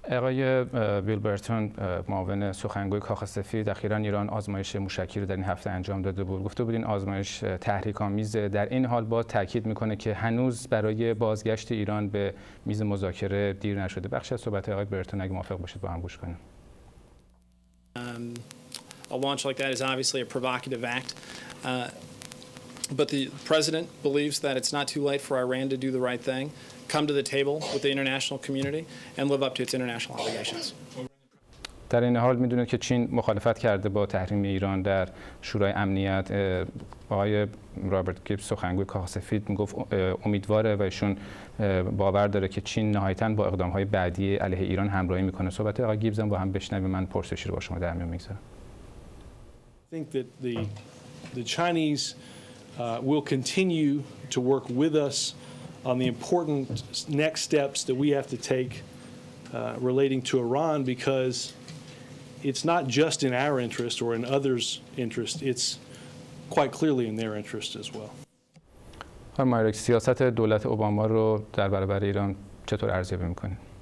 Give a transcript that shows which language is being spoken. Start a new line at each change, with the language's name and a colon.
Persian: آقای بیل برتون، معاون سخنگوی کاخ سفید، اخیراً ایران آزمایش موشکی رو در این هفته انجام داده بود. گفته بود این آزمایش تحریک‌آمیز، در این حال با تاکید میکنه که هنوز برای بازگشت ایران به میز مذاکره دیر نشده. بخش از صحبت آقای برتون اگه موافق باشید با هم گوش کنیم.
English: A launch like that is obviously a provocative act. But the president believes that it's not too late for Iran to do the right thing, come to the table with the international community and live up to its international obligations.
Persian: در این حال میدونه که چین مخالفت کرده با تحریم ایران در شورای امنیت. آقای رابرت گیبز سخنگوی کاخ سفید میگفت امیدواره و ایشون باور داره که چین نهایتاً با اقدامهای بعدی علیه ایران همراهی میکنه. صحبت آقای گیبز هم با هم بشنویم. من پرسشی رو با شما در میون میگذارم.
English: Think that the Chinese will continue to work with us on the important next steps that we have to take relating to Iran, because it's not just in our interest or in others' interest, it's quite clearly in their interest as well.
Persian: خانم مایرک، سیاست دولت اوباما رو در برابر ایران چطور ارزیابی می‌کنید؟